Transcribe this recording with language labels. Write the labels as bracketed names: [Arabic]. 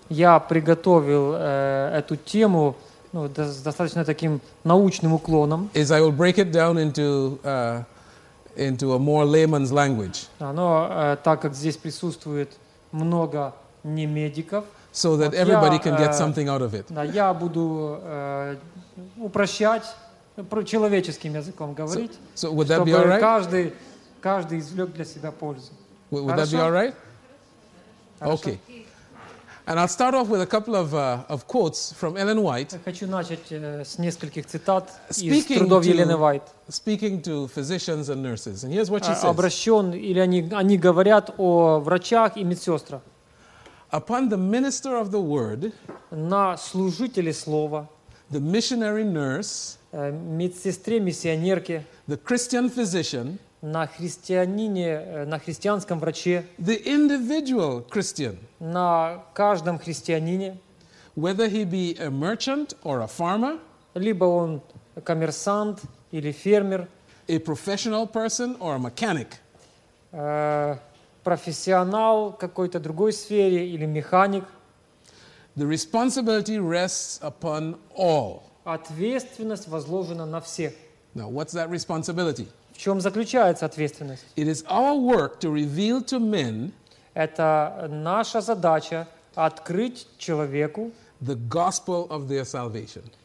[Russian] Я приготовил эту тему с достаточно таким научным уклоном. [English] Is I will break it down into a more layman's language. [Russian] Но так как здесь присутствует много не медиков. [English] So that everybody can get something out of it. [Russian] Да, я буду упрощать, человеческим языком говорить, [English] so would that be all right? [Russian] чтобы каждый извлек для себя пользу. [English] Would that be all right? Okay. And I'll start off with a couple of quotes from Ellen White. [Russian] Хочу начать с нескольких цитат из трудов Елены Уайт. [English] Speaking to physicians and nurses, and here's what she says. [Russian] Обращен или они говорят о врачах и медсестрах. [English] Upon the minister of the word, [Russian] на служителе слова, [English] the missionary nurse, [Russian] медсестре-миссионерке, [English] the Christian physician, [Russian] на христианском враче, [English] the individual Christian, [Russian] на каждом христианине, [English] whether he be a merchant or a farmer, [Russian] либо он коммерсант или фермер, [English] a professional person or a mechanic, [Russian] профессионал в какой-то другой сфере или механик. [English] The responsibility rests upon all. [Russian] Ответственность возложена на всех. [English] Now, what's that responsibility? [Russian] В чем заключается ответственность? [English] It is our work to reveal to men. [Russian] Это наша задача открыть человеку [English] the gospel of their salvation.